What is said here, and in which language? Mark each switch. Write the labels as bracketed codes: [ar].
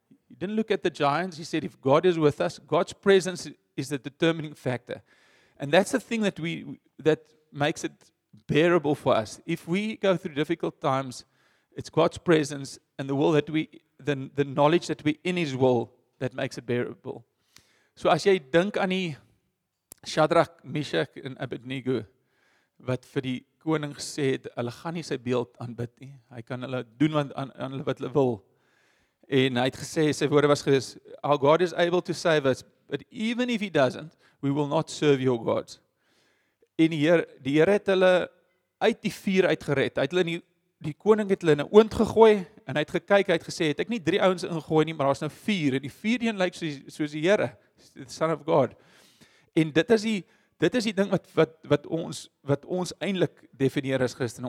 [en] He didn't look at the giants, he said, if God is with us, God's presence is the determining factor. And that's the thing that makes it bearable for us. If we go through difficult times, it's God's presence and the will that we, the knowledge that we're in his will that makes it bearable. [af] So as jy dink aan die Shadrach, Meshach en Abednego, wat vir die koning gesê het, hulle gaan nie sy beeld aanbid nie. Hy kan hulle doen aan hulle wat hulle wil. En hy het gesê, sy woorde was gewees, [en] our God is able to save us, but even if he doesn't, we will not serve your gods. [af] En die Here het hulle uit die vuur uitgered. Hy het hulle die koning het hulle in 'n oond gegooi, en hy het gekyk, hy het gesê, het ek nie 3 ouens ingegooi nie, maar daar's nou 4, en die 4 een lyk soos die Here, [en] the Son of God. [af] En dit is die ding wat ons eintlik definieer as Christene.